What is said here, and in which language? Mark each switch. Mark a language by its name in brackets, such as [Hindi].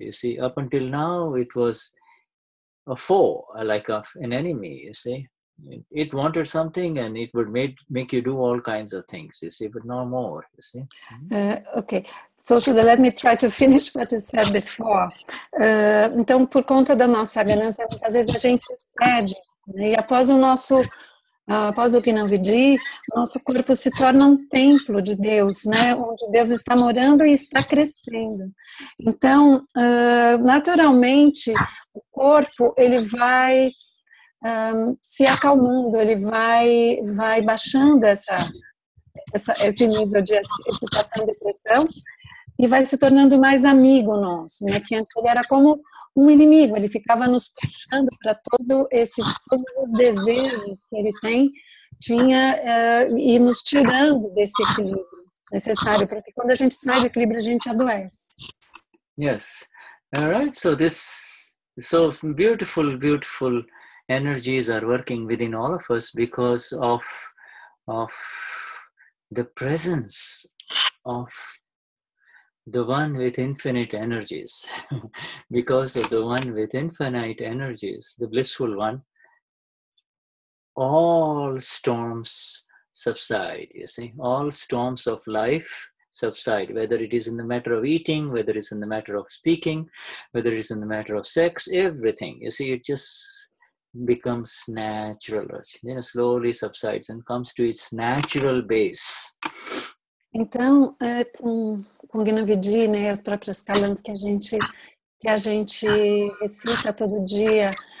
[English] You see, up until now, it was a foe, like an enemy, you see. It wanted something and it would make you do all kinds of things, you see, but no more, you see. Okay. So, Shuda, let me try to finish what you said before. [Portuguese] Então, por conta da nossa ganância, às vezes a gente cede. E após o nosso após o Gnan Vidhi, nosso corpo se torna um templo de Deus, né? Onde Deus está morando e está crescendo. Então, naturalmente, o corpo ele vai se acalmando, ele vai baixando esse nível de excitação e depressão e vai se tornando mais amigo nosso, né? Que antes ele era como um inimigo, ele ficava nos puxando para todos os desejos que ele tinha e nos tirando desse equilíbrio necessário, porque quando a gente sai do equilíbrio, a gente adoece. [English] Yes. All right. So this, so beautiful, beautiful energies are working within all of us because of the presence of the one with infinite energies, because of the one with infinite energies, the blissful one, all storms subside, you see, all storms of life subside, whether it is in the matter of eating, whether it is in the matter of speaking, whether it is in the matter of sex, everything, you see, it just becomes natural, you know, slowly subsides and comes to its natural base. [Portuguese] Então, com Gnan Vidhi, né, as próprias kalams que a gente recita todo dia,